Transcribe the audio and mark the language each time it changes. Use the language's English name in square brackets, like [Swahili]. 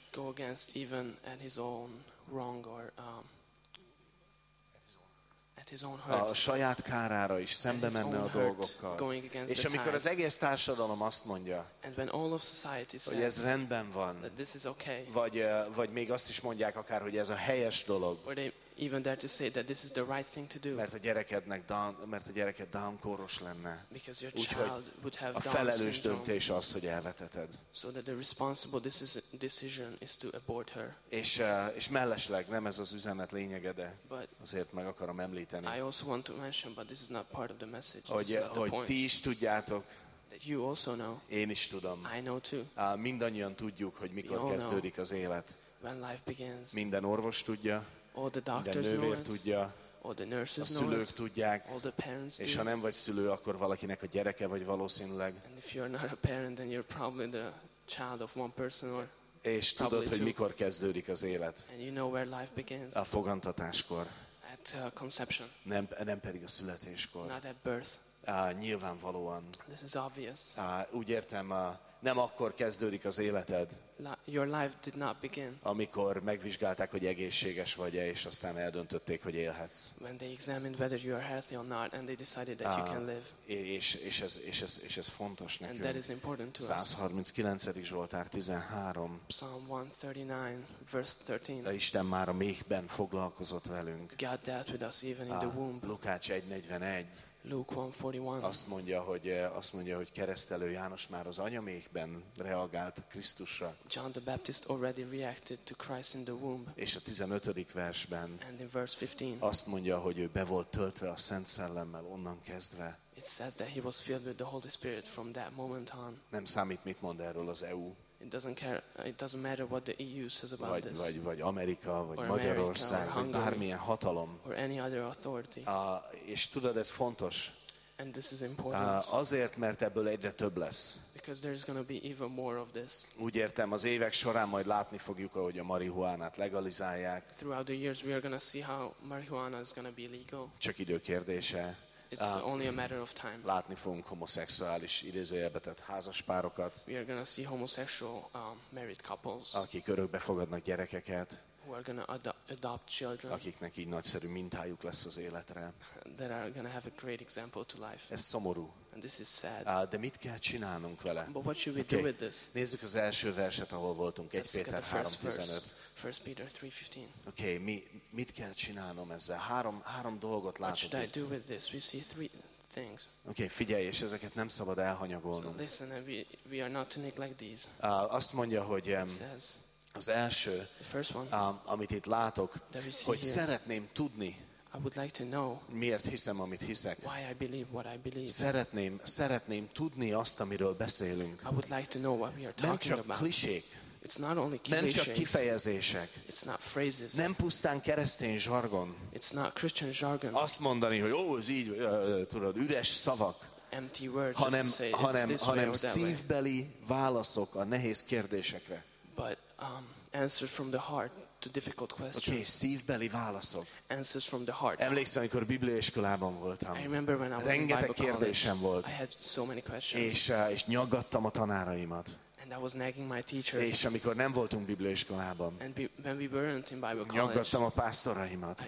[English] Go against even at his own wrong or at his own hurt. [Hungarian] A saját kárára is szembe [English] at [Hungarian] menne a dolgokkal. [English] Going against [Hungarian] és [English] the [Hungarian] amikor [English] tide. [Hungarian] Az egész társadalom azt mondja, [English] and when all of society says, [Hungarian] hogy ez rendben van, [English] that this is okay. [Hungarian] Vagy még azt is mondják akár, hogy ez a helyes dolog. [English] Or they even dare to say that this is the right thing to do. [Hungarian] Mert a gyereked Down-kóros lenne. [English] Because your child would have [Hungarian] a felelős döntés az, hogy elveteted. [English] So that the responsible decision is to abort her. [Hungarian] És mellesleg nem ez az üzenet lényege, de azért meg akarom említeni. [English] I also want to mention, but this is not part of the message. [Hungarian] Hogy ti is tudjátok. [English] That you also know. [Hungarian] Én is tudom. [English] I know too. [Hungarian] Mindannyian tudjuk, hogy mikor kezdődik az élet. [English] When life begins. [Hungarian] Minden orvos tudja. [English] All the doctors [Hungarian] de nővér [English] know it, [Hungarian] tudja, [English] all the nurses know it, [Hungarian] a szülők tudják, [English] all the parents [Hungarian] és [English] do. [Hungarian] Ha nem vagy szülő, akkor valakinek a gyereke vagy valószínűleg. [English] And if you're not a parent, then you're probably the child of one person or [Hungarian] és tudod, [English] two. [Hungarian] Hogy mikor kezdődik az élet. [English] And you know where life begins. [Hungarian] A fogantatáskor. [English] At conception. [Hungarian] Nem pedig a születéskor. [English] Not at birth. [Hungarian] Nyilvánvalóan. [English] This is obvious. [Hungarian] Úgy értem, nem akkor kezdődik az életed. [English] Your life did not begin. [Hungarian] Amikor megvizsgálták, hogy egészséges vagy-e, és aztán eldöntötték, hogy élhetsz. [English] When they examined whether you are healthy or not, and they decided that you can live. [Hungarian] És ez fontos nekünk. [English] And that is important to us. [Hungarian] 139. Zsoltár 13. [English] Psalm 139, verse 13. [Hungarian] A Isten már a méhben foglalkozott velünk. [English] God dealt with us even in the womb. [Hungarian] Lukács 1:41. [English] Luke 1:41. [Hungarian] Azt mondja, hogy keresztelő János már az anyaméhben reagált Krisztusra. [English] John the Baptist already reacted to Christ in the womb. [Hungarian] És a 15. versben. [English] And in verse 15. [Hungarian] Azt mondja, hogy ő be volt töltve a Szent Szellemmel onnan kezdve. [English] It says that he was filled with the Holy Spirit from that moment on. [Hungarian] Nem számít, mit mond erről az EU. [English] It doesn't matter what the EU says about [Hungarian] vagy, [English] this. [Hungarian] Vagy Amerika, vagy Magyarország, [English] America, [Hungarian] vagy bármilyen hatalom. [English] Or any other authority. [Hungarian] És tudod, ez fontos. [English] And this is important. [Hungarian] Azért, mert ebből egyre több lesz. [English] Because there's going to be even more of this. [Hungarian] Úgy értem, az évek során majd látni fogjuk, ahogy a marihuánát legalizálják. [English] Throughout the years we are going to see how marijuana is going to be legal. [Hungarian] Csak idő kérdése. [English] It's only a matter of time. [Hungarian] Látni fogunk homoszexuális idézőjelbe tett házaspárokat. [English] We are going to see homosexual married couples. [Hungarian] Akik örökbe fogadnak gyerekeket. [English] Who are going to adopt children. [Hungarian] Akiknek így nagyszerű mintájuk lesz az életre. [English] That are going to have a great example to life. [Hungarian] Ez szomorú. [English] And this is sad. [Hungarian] De mit kell csinálnunk vele? [English] But what should we do with this? [Hungarian] Nézzük az első verset, ahol voltunk. 1 Péter 3:15. [English] 1 Peter 3:15. [Hungarian] Okay, mit kell csinálnom ezzel? Három dolgot látok. [English] What should I do with this? We see three things. [Hungarian] Okay, figyelj, és ezeket nem szabad elhanyagolnunk. [English] So listen, we are not to neglect these. [Hungarian] Azt mondja, hogy [English] it says, [Hungarian] Az első, amit itt látok, hogy [English] here, [Hungarian] szeretném tudni, [English] I would like to know, [Hungarian] miért hiszem, amit hiszek. [English] Why I believe what I believe. [Hungarian] Szeretném tudni azt, amiről beszélünk. [English] I would like to know what we are talking about. [Hungarian] Nem csak klisék. [English] It's not only [Hungarian] nem csak kifejezések. [English] It's not phrases. [Hungarian] Nem pusztán keresztény zsargon. [English] It's not Christian jargon. [Hungarian] Azt mondani, hogy ó, ez így, tudod, üres szavak. [English] Empty words, [Hungarian] hanem, [English] just to say, [Hungarian] hanem szívbeli válaszok a nehéz kérdésekre. [English] But answers from the heart to difficult questions. [Hungarian] Okay, szívbeli válaszok. [English] Answers from the heart. [Hungarian] Emlékszem, amikor bibliaiskolában voltam. [English] I remember when I was [Hungarian] rengeteg [English] in Bible [Hungarian] kérdésem [English] college, [Hungarian] volt. [English] I had so many questions. [Hungarian] És nyaggattam a tanáraimat. [English] And I was nagging my teachers. [Hungarian] És amikor nem voltunk bibliaiskolában. [English] And when we weren't in Bible college. [Hungarian] Nyaggattam a pásztoraimat.